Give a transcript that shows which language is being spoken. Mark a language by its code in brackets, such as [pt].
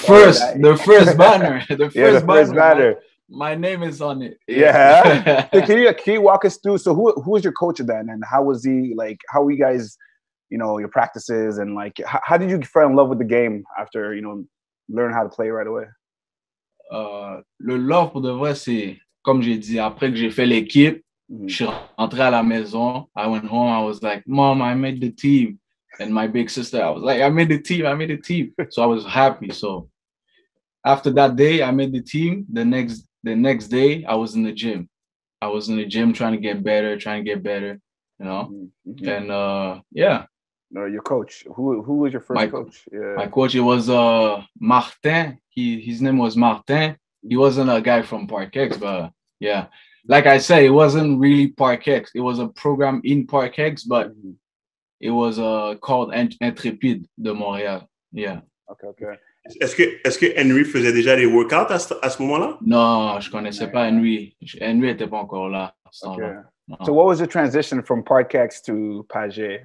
[en] first, the first banner, the first banner. My name is on it. So can you walk us through? So who was your coach then, and how was he like? How were you guys, you know, your practices and like? How did you fall in love with the game after, you know, learn how to play right away? [fr] Le love pour de vrai, c'est comme j'ai dit après que j'ai fait l'équipe. Mm-hmm. Je suis rentré à la maison. [en] I went home. I was like, Mom, I made the team. And my big sister, I was like, I made the team. So I was happy. So after that day, I made the team. The next day, I was in the gym. I was in the gym trying to get better, you know? Mm-hmm. And yeah. No, your coach. Who was your first coach? Yeah. My coach, it was Martin. His name was Martin. He wasn't a guy from Parkex, but yeah. Like I said, it wasn't really Parkex. It was a program in Parkex, but it was called Intrepid de Montréal. Yeah. Okay. [fr] Est-ce que Henry faisait déjà des workouts à ce moment-là? Non, je connaissais pas Henry. Henry était pas encore là. Okay. [en] So what was the transition from Parkex to Pagé?